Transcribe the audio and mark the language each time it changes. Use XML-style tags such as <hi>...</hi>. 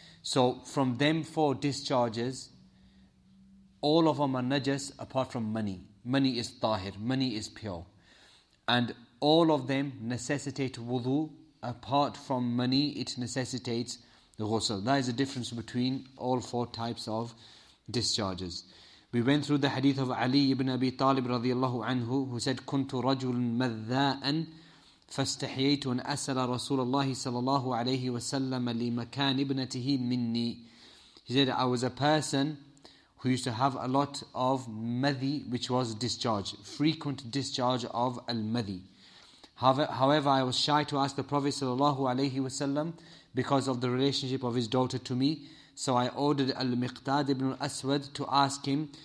<en>So from them four discharges, all of them are najas apart from mani. Mani is tahir, mani is pure. And all of them necessitate wudu, apart from mani, it necessitates the ghusl. That is the difference between all four types of discharges. We went through the hadith of Ali ibn Abi Talib radiyallahu anhu, who said,</en> <ar>كُنْتُ رَجُلٌ مَذَّاءً فَاسْتَحْيَيْتُ أَنْ أَسَلَ رَسُولَ اللَّهِ صَلَى اللَّهُ عَلَيْهِ وَسَلَّمَ لِمَكَانِ ابْنَتِهِ مِنِّي.</ar> <en>He said, I was a person who used to have a lot of madhi, which was discharge, frequent discharge of al-madhi. However, I was shy to ask the Prophet sallallahu alayhi wasallam because of the relationship of his daughter to me. So I ordered Al-Miqtad ibn al-Aswad to ask him.</en>